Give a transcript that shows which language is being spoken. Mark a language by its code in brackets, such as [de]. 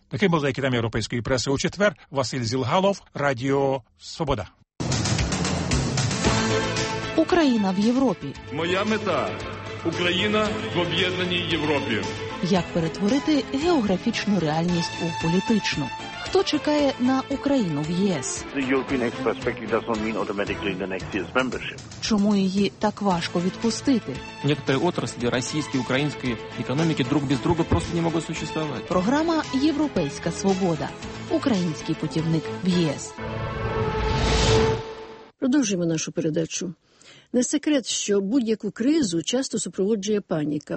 [uk] Таким були кітами європейської преси у четвер. Василь Зілгалов, Радіо Свобода. Україна в Європі. Моя мета – Україна в об'єднаній Європі. Як перетворити географічну реальність у політичну? Хто чекає на Україну в ЄС? [en] The European Express package doesn't mean automatically the next year's membership. [uk] Чому її так важко відпустити? Некоторі отраслі російської, української економіки друг без друга просто не можуть существувати. Програма «Європейська свобода». Український путівник в ЄС. Продовжуємо нашу передачу. Не секрет, що будь-яку кризу часто супроводжує паніка.